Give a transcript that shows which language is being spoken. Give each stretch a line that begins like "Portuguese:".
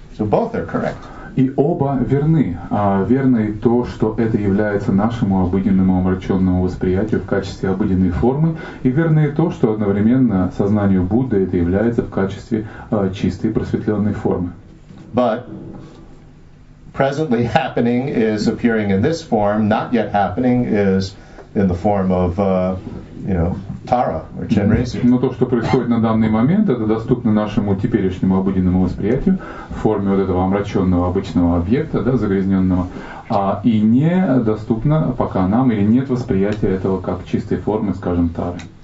English: So both are correct.
Russian: И оба верны. Верно и то, что это является нашему обыденному омраченному восприятию в качестве обыденной формы, и верно и то, что одновременно сознанию Будды это является в качестве чистой просветленной формы.
English: But presently happening is appearing in this form, not yet happening is in the form of, you know, Tara or Chenrezig.
Russian: Но то, что происходит на данный момент, это доступно нашему теперешнему обыденному восприятию в форме вот этого омраченного обычного объекта, да, загрязненного, и не доступно пока нам или нет восприятия этого как чистой формы, скажем, Тары.